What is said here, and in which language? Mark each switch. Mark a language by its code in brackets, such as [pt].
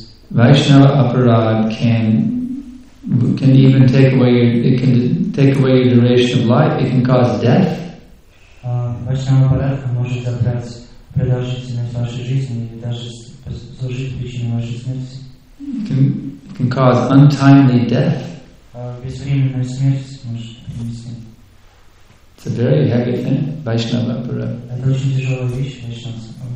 [en] Vaishnava aparad can even take away your, it can take away your duration of life. It can cause death. [ru] Vaishnava aparad может забрать продолжительность вашей жизни и даже служить причиной вашей смерти. [en] Can cause untimely death. [ru] Безвременную смерть может принести. [en] It's a very heavy thing, Vaishnava aparad. [ru] Это очень тяжелая вещь, Vaishnava.